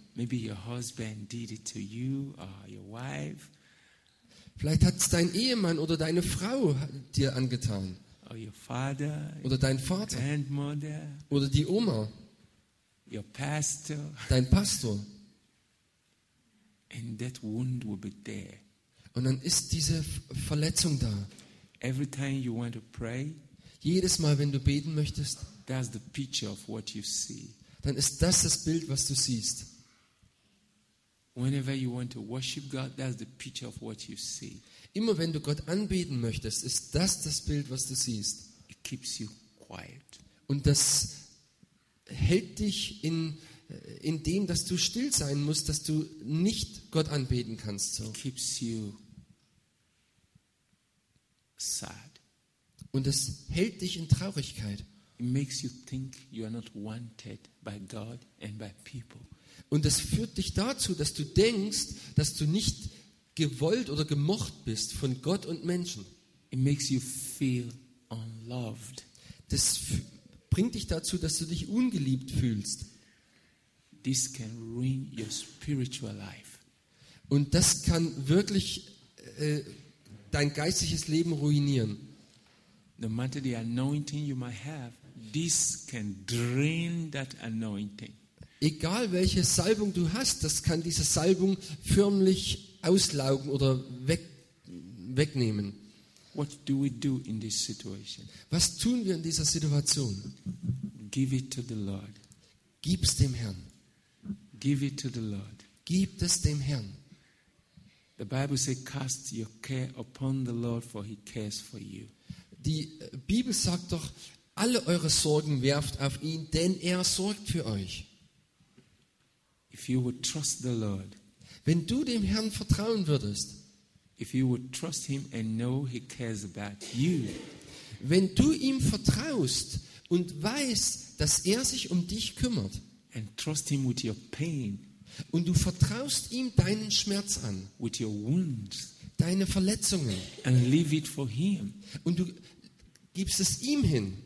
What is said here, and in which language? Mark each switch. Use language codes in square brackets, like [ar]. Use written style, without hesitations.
[en] Maybe your husband did it to you or your wife. [de] Vielleicht hat es dein Ehemann oder deine Frau dir angetan. [en] Or your father, [de] oder dein Vater. [en] Grandmother, [de] oder die Oma. [en] Your pastor. [de] Dein Pastor. [en] And that wound will be there. [de] Und dann ist diese Verletzung da. [en] Every time you want to pray, [de] jedes Mal, wenn du beten möchtest, [en] that's the picture of what you see. [de] Dann ist das das Bild, was du siehst. [en] Whenever you want to worship God, that's the picture of what you see. [de] Immer wenn du Gott anbeten möchtest, ist das das Bild, was du siehst. [en] It keeps you quiet. [de] Und das hält dich in dem, dass du still sein musst, dass du nicht Gott anbeten kannst. [en] So. It keeps you sad. [de] Und es hält dich in Traurigkeit. [en] It makes you think you are not wanted by God and by people. [de] Und es führt dich dazu, dass du denkst, dass du nicht gewollt oder gemocht bist von Gott und Menschen. [en] It makes you feel unloved. [de] Das bringt dich dazu, dass du dich ungeliebt fühlst. [en] This can ruin your spiritual life. [de] Und das kann wirklich dein geistliches Leben ruinieren. [en] No matter the anointing you might have, this can drain that anointing. [de] Egal welche Salbung du hast, das kann diese Salbung förmlich auslaugen oder wegnehmen. [en] What do we do in this situation? [de] Was tun wir in dieser Situation? [en] Give it to the Lord. [de] Gib's dem Herrn. [en] Give it to the Lord. [de] Gib es dem Herrn. [en] The Bible says, cast your care upon the Lord, for he cares for you. [de] Die Bibel sagt doch, alle eure Sorgen werft auf ihn, denn er sorgt für euch. [en] If you would trust the Lord, [de] wenn du dem Herrn vertrauen würdest, [en] if you would trust him and know he cares about you, [de] wenn du ihm vertraust und weißt, dass er sich um dich kümmert, [en] and trust him with your pain, [de] und du vertraust ihm deinen Schmerz an, [en] with your wounds, [de] deine Verletzungen, [en] and leave it for him, [de] und du gibst es ihm hin,